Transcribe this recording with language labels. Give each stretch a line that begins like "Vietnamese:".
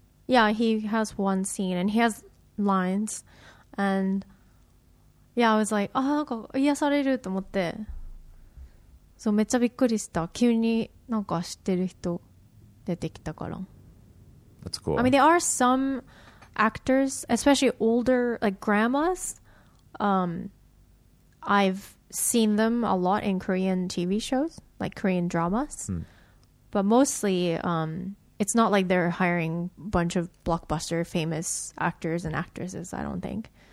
English: Yeah he has one scene and he has lines and Yeah, I was like, ah,
Japanese: なんか癒されると思って。そう、めっちゃびっくりした。急になんか知ってる人出てきたから。
English: That's cool. I mean, there are some actors, especially older, like grandmas. I've seen them a lot in Korean TV shows, like Korean dramas. Hmm. But mostly, it's not like they're hiring a bunch of blockbuster famous actors and actresses, I don't think.